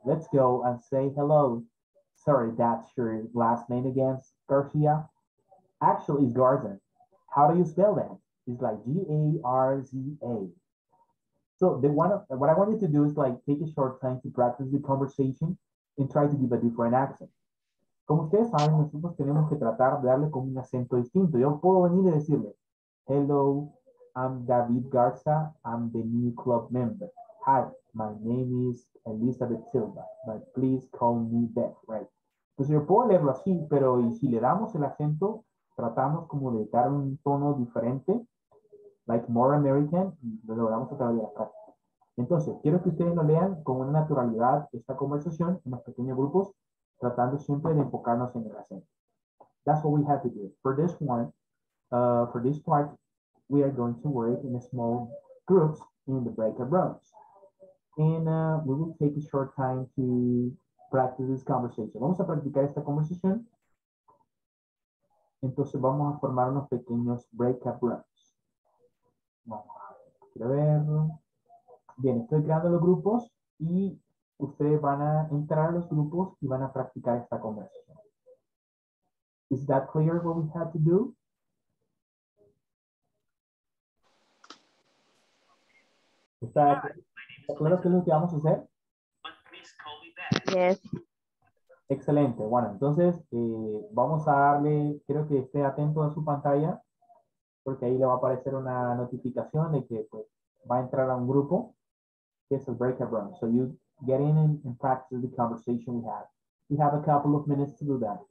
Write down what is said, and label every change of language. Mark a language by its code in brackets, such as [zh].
[en] Let's go and say hello. Sorry, that's your last name again, Garcia? Actually, it's Garza. How do you spell that? It's like G-A-R-Z-A. So the one, what I want you to do is like take a short time to practice the conversation and try to give a different accent. [es] Como ustedes saben, nosotros tenemos que tratar de darle con un acento distinto. Yo puedo venir y decirle, [en] hello, I'm David Garza. I'm the new club member. Hi, my name is Elizabeth Silva, but please call me Beth, right? [es] Entonces yo puedo leerlo así, pero y si le damos el acento, tratamos como de dar un tono diferente, [en] like more American, [es] lo logramos a través de la práctica. Entonces, quiero que ustedes lo lean con una naturalidad esta conversación en los pequeños grupos, tratando siempre de enfocarnos en el acento. [en] That's what we have to do. For this one, for this part, we are going to work in small groups in the breakout rooms. And we will take a short time to practice this conversation. [es] Vamos a practicar esta conversación. Entonces vamos a formar unos pequeños breakout rooms. Vamos a ver. Bien, estoy creando los grupos y ustedes van a entrar a los grupos y van a practicar esta conversación. [en] Is that clear what we have to do? [es] ¿Está claro qué es lo que vamos a hacer? [en] Yes. [es] Excelente. Bueno, entonces vamos a darle, creo que esté atento a su pantalla, porque ahí le va a aparecer una notificación de que pues, va a entrar a un grupo, que es el breakout room. [en] So you get in and practice the conversation we have. We have a couple of minutes to do that.